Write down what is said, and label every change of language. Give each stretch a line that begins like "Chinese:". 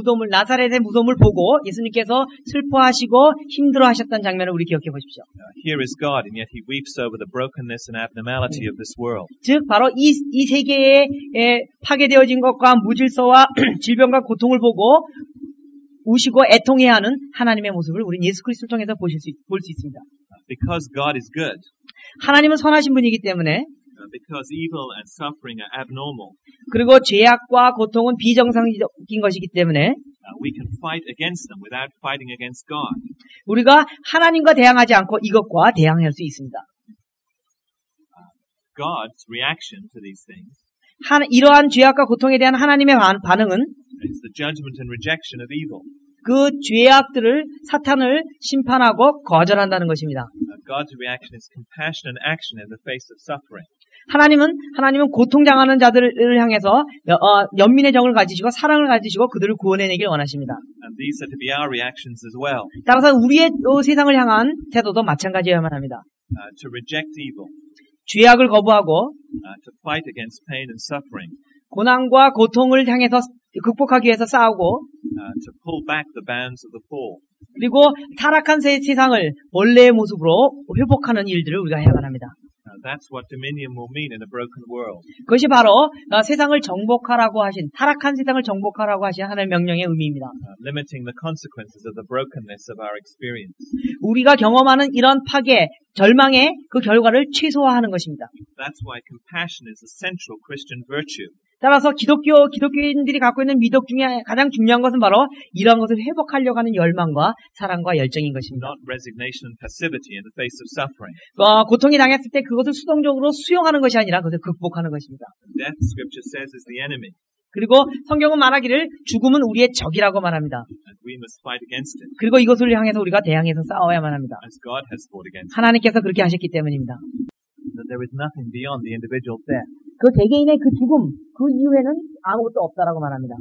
Korean: 나사렛의 무덤을 보고 예수님께서 슬퍼하시고 힘들어하셨던 장면을 우리 기억해 보십시오.
English: Here is God, and yet He weeps over the brokenness and abnormality of this world.
Korean: 즉 바로 이 세계의 파괴되어진 것과 무질서와 질병과 고통을 보고 우시고 애통해하는 하나님의 모습을 우리 예수 그리스도를 통해서 볼 수 있습니다.
English: Because God is good.
Korean: 하나님은 선하신 분이기 때문에.
English: Because evil and suffering are abnormal.
Korean: 그리고 죄악과 고통은 비정상적인 것이기 때문에
English: we can fight against them without fighting against God.
Korean: 우리가 하나님과 대항하지 않고 이것과 대항할 수 있습니다.
English: God's reaction to these things.
Korean: 이러한 죄악과 고통에 대한 하나님의 반응은
English: is the judgment and rejection of evil.
Korean: 그 죄악들을 사탄을 심판하고 거절한다는 것입니다.
English: God's reaction is compassion and action in the face of suffering.
Korean: 하나님은 고통 당하는 자들을 향해서 연민의 정을 가지시고 사랑을 가지시고 그들을 구원해내길 원하십니다.
English: And these are to be our reactions as well.
Korean: 따라서 우리의 세상을 향한 태도도 마찬가지여야만 합니다.
English: To reject evil.
Korean: 죄악을 거부하고
English: to fight against pain and suffering.
Korean: 고난과 고통을 향해서 극복하기 위해서 싸우고
English: to pull back the bands of the fall.
Korean: 그리고 타락한 세상을 원래의 모습으로 회복하는 일들을 우리가 해야만 합니다.
English: That's what dominion will mean in a broken world.
Korean: 그것이 바로 세상을 정복하라고 하신 타락한 세상을 정복하라고 하신 하나님의 명령의 의미입니다.
English: Limiting the consequences of the brokenness of our experience.
Korean: 우리가 경험하는 이런 파괴, 절망의 그 결과를 최소화하는 것입니다.
English: That's why compassion is a central Christian virtue.
Korean: 따라서 기독교인들이 갖고 있는 미덕 중에 가장 중요한 것은 바로 이러한 것을 회복하려고 하는 열망과 사랑과 열정인 것입니다.
English: Not resignation and passivity in the face of suffering.
Korean: 고통이 당했을 때 그것을 수동적으로 수용하는 것이 아니라 그것을 극복하는 것입니다.
English: Death, scripture says, is the enemy.
Korean: 그리고 성경은 말하기를 죽음은 우리의 적이라고 말합니다.
English: And we must fight against it.
Korean: 그리고 이것을 향해서 우리가 대항해서 싸워야만 합니다.
English: As God has fought against it.
Korean: 하나님께서 그렇게 하셨기 때문입니다.
English: That there is nothing beyond the individual death.
Korean: 그 개개인의 그 죽음, 그 이후에는 아무것도 없다라고 말합니다.